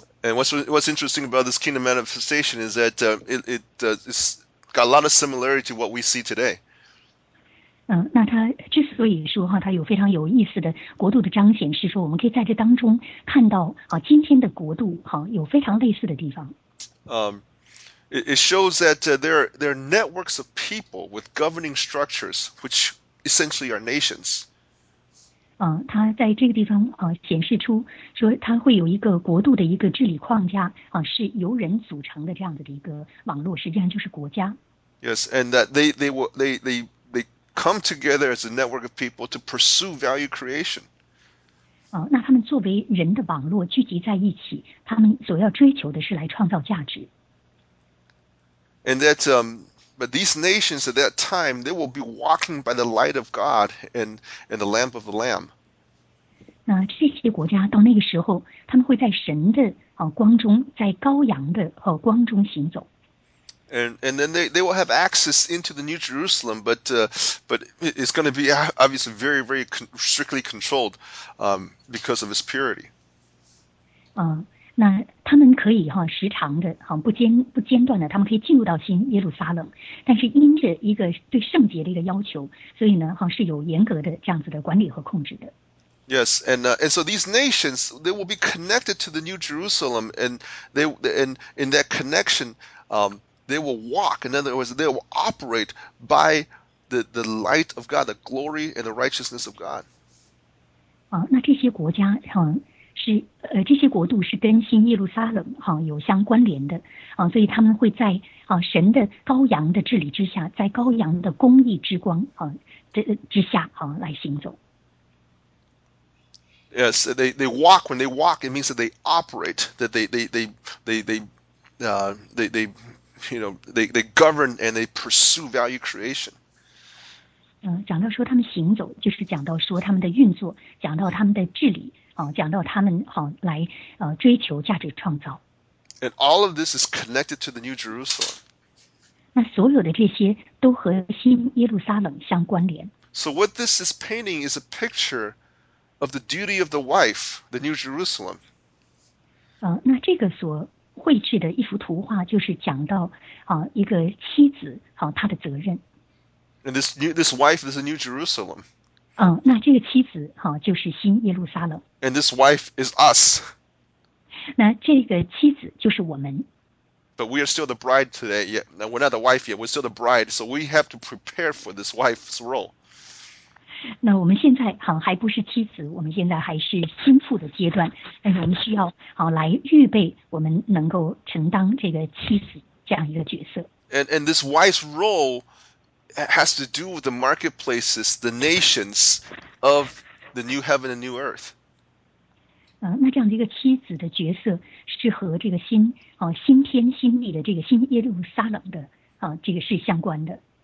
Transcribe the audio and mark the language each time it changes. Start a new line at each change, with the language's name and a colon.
English: And what's interesting about this kingdom manifestation is that it's got a lot of similarity to what we see today.
Chinese: 那他之所以说他有非常有意思的国度的彰显，是说我们可以在这当中看到今天的国度有非常类似的地方。
English: It shows that there are networks of people with governing structures, which essentially are nations.
Chinese: 他在这个地方显示出说他会有一个国度的一个治理框架是由人组成的这样子的一个网络，实际上就是国家。
English: Yes, and that they come together as a network of people to pursue value creation.
Chinese: 那他们作为人的网络聚集在一起，他们所要追求的是来创造价值。
English: And that, but these nations at that time, they will be walking by the light of God and the lamp of the Lamb.
Chinese: 那这些国家到那个时候，他们会在神的光中，在羔羊的光中行走。
English: And then they will have access into the New Jerusalem, but it's going to be obviously very, very strictly controlled because of its purity.
Chinese: 那他们可以时常的不间断的，他们可以进入到新耶路撒冷，但是因着一个对圣洁的一个要求，所以呢是有严格的这样子的管理和控制的。
English: Yes, and so these nations, they will be connected to the New Jerusalem, and in that connection, they will walk, in other words, they will operate by the light of God, the glory and the righteousness of God.
Chinese: 那这些国家这些国度是跟新耶路撒冷有相关联的所以他们会在神的羔羊的治理之下，在羔羊的公义之光之下来行走。
English: Yes, they walk. When they walk, it means that they operate, that they govern and they pursue value creation.
Chinese: 讲到说他们行走，就是讲到说他们的运作，讲到他们的治理，讲到他们来追求价值创造。
English: And all of this is connected to the New Jerusalem.
Chinese: 那所有的这些都和新耶路撒冷相关联。
English: So what this is painting is a picture of the duty of the wife, the New Jerusalem.
Chinese: 那这个所绘制的一幅图画就是讲到一个妻子她的责任。
English: And this wife is a New Jerusalem.
Chinese: 那这个妻子就是新耶路撒冷。
English: And this wife is us.
Chinese: 那这个妻子就是我们。
English: But we are still the bride today. Yeah, we're not the wife yet. We're still the bride. So we have to prepare for this wife's role.
Chinese: 那我们现在还不是妻子，我们现在还是心腹的阶段，但是我们需要来预备我们能够承担这个妻子这样一个角色。
English: And this wife's role has to do with the marketplaces, the nations of the new heaven and new earth.
Chinese: 那这样的一个妻子的角色是和这个新新天新地的这个新耶路撒冷的这个是相关的。